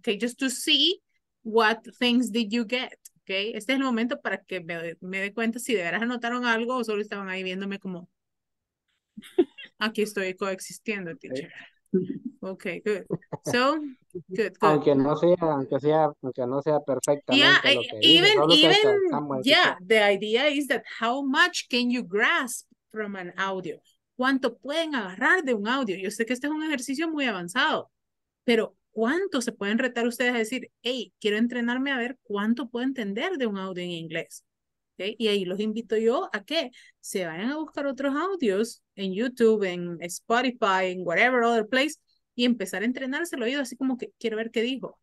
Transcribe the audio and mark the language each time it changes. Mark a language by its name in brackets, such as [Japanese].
[English] Okay, just to see what things did you get. Okay. [Spanish] Este es el momento para que me dé cuenta si de veras anotaron algo o solo estaban ahí viéndome como aquí estoy coexistiendo, teacher. [English] Okay, good. So, good. Good. [Spanish] Aunque no sea perfectamente [English] yeah, [Spanish] lo que [English] even, [Spanish] dice, [English] even, yeah, the idea is that how much can you grasp from an audio? [Spanish] ¿Cuánto pueden agarrar de un audio? Yo sé que este es un ejercicio muy avanzado, pero ¿cuánto se pueden retar ustedes a decir, hey, quiero entrenarme a ver cuánto puedo entender de un audio en inglés? ¿Okay? Y ahí los invito yo a que se vayan a buscar otros audios en YouTube, en Spotify, en [English] whatever other place, [Spanish] y empezar a entrenarse el oído así como que quiero ver qué dijo.